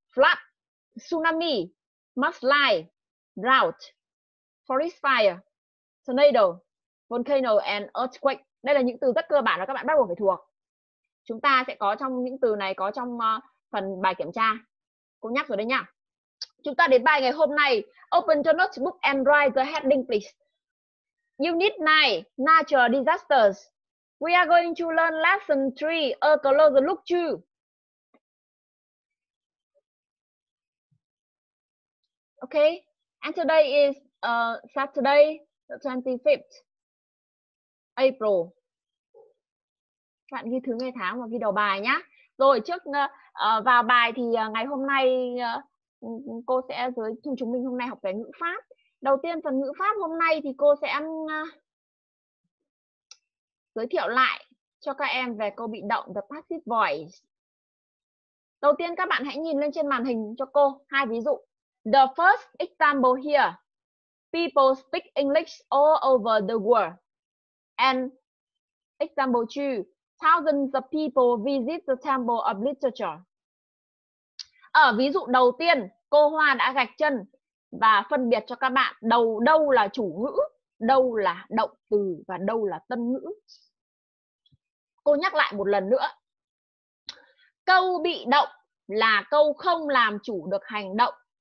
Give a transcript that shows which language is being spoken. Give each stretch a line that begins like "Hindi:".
English: Flood, tsunami, mudslide, drought, forest fire, tornado, volcano and earthquake.
Vietnamese: Đây là những từ rất cơ bản mà các bạn bắt buộc phải thuộc. Chúng ta sẽ có trong những từ này có trong phần bài kiểm tra. Cô nhắc rồi đấy nha. Chúng ta đến bài ngày hôm nay.
English: Open your notebook and write the heading please. Unit 9, natural disasters. We are going to learn lesson 3, a closer look to. Okay. And today is Saturday, the 25th April.
Vietnamese: Bạn ghi thứ ngày tháng và ghi đầu bài nhá. Rồi trước vào bài thì ngày hôm nay cô sẽ với chúng mình hôm nay học về ngữ pháp. Đầu tiên phần ngữ pháp hôm nay thì cô sẽ giới thiệu lại cho các em về câu bị động,
English: the passive voice.
Vietnamese: Đầu tiên các bạn hãy nhìn lên trên màn hình cho cô hai ví dụ.
English: The first example here, people speak English all over the world. And example 2, thousands of people visit the temple of literature.
Vietnamese: Ở ví dụ đầu tiên, cô Hoa đã gạch chân và phân biệt cho các bạn đâu là chủ ngữ, đâu là động từ và đâu là tân ngữ. Cô nhắc lại một lần nữa. Câu bị động là câu không làm chủ được hành động.